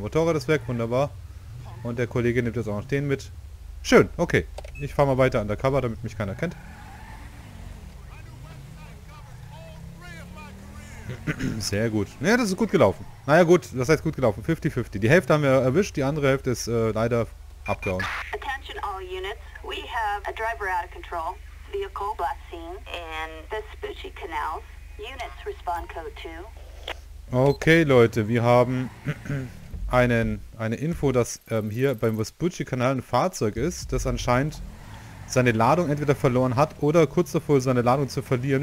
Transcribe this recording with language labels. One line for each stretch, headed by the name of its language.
German: Motorrad ist weg, wunderbar. Und der Kollege nimmt jetzt auch noch den mit. Schön, okay. Ich fahre mal weiter undercover, damit mich keiner kennt. Sehr gut. Naja, das ist gut gelaufen. Naja gut, das heißt gut gelaufen. 50-50. Die Hälfte haben wir erwischt, die andere Hälfte ist leider abgehauen.
English: Attention all units. We have a driver out of control. Vehicle blast scene in the Spoochie Canals. Units respond code 2.
German: Okay, Leute, wir haben eine Info, dass hier beim Vespucci-Kanal ein Fahrzeug ist, das anscheinend seine Ladung entweder verloren hat oder kurz davor seine Ladung zu verlieren.